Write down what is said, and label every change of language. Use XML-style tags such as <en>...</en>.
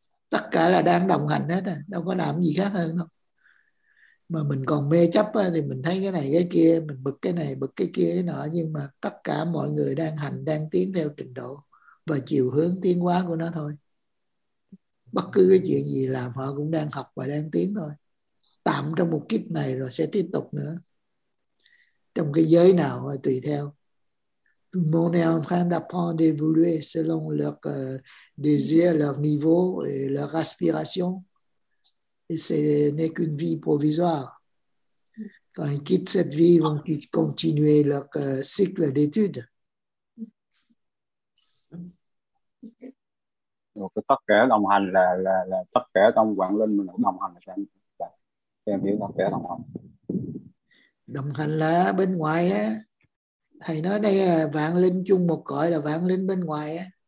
<vi>Tất cả là đang đồng hành hết, đâu có làm gì khác hơn đâu. Mà mình còn mê chấp thì mình thấy cái này cái kia, mình bực cái này bực cái kia cái nọ, nhưng mà tất cả mọi người đang hành, đang tiến theo trình độ và chiều hướng tiến hóa của nó thôi. Bất cứ cái chuyện gì làm họ cũng đang học và đang tiến thôi. Tạm trong một kiếp này rồi sẽ tiếp tục nữa. Trong cái giới nào thì tùy theo.</vi> <fr>Tout le monde est en train d'apprendre d'évoluer selon leur désir, leur niveau et leur aspiration. Et ce n'est qu'une vie provisoire. Quand ils quittent cette vie, vont-ils continuer leur cycle d'études?</fr> <vi>Tất cả đồng hành là tất cả trong vạn linh mình đồng hành, là em hiểu tất cả đồng hành. Đồng hành là bên ngoài đó. Thầy nói đây là vạn linh chung một cõi, là vạn linh bên ngoài á.</vi>